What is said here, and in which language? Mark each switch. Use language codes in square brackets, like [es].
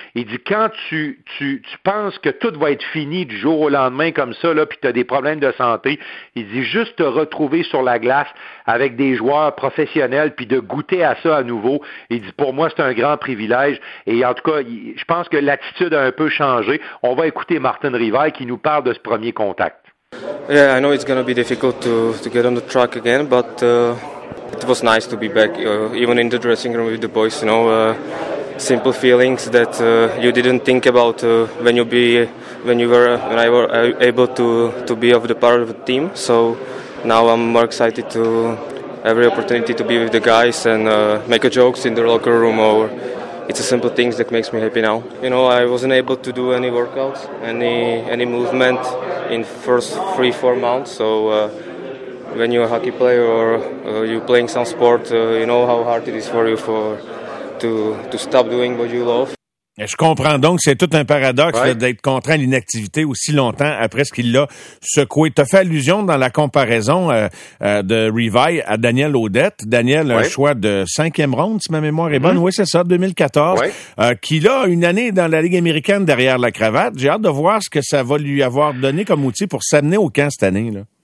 [fr] Il dit, quand tu penses que tout va être fini du jour au lendemain comme ça, là, puis tu as des problèmes de santé, il dit, juste te retrouver sur la glace avec des joueurs professionnels, puis de goûter à ça à nouveau, il dit, pour moi, c'est un grand privilège. Et en tout cas, je pense que l'attitude a un peu changé. On va écouter Martin Rivaille qui nous parle de ce premier contact. [en] Yeah, I know it's going to be difficult to get on the track again, but it was nice to be back, even in the dressing room with the boys, you know, simple feelings that you didn't think about when I were able to be of the part of the team. So now I'm more excited to every opportunity to be with the guys and make a jokes in the locker room, or it's a simple things that makes me happy now. You know, I wasn't able to do any workouts, any movement in first 3-4 months. So when you're a hockey player or you're playing some sport, you know how hard it is for you to stop doing what you love. [fr] Je comprends donc, c'est tout un paradoxe là, d'être contraint à l'inactivité aussi longtemps après ce qu'il l'a secoué. Tu as fait allusion dans la comparaison de Revi à Daniel Audette. Daniel, un choix de cinquième ronde, si ma mémoire est bonne. Oui, c'est ça, 2014. Qui a une année dans la Ligue américaine derrière la cravate. J'ai hâte de voir ce que ça va lui avoir donné comme outil pour s'amener au camp cette année, là.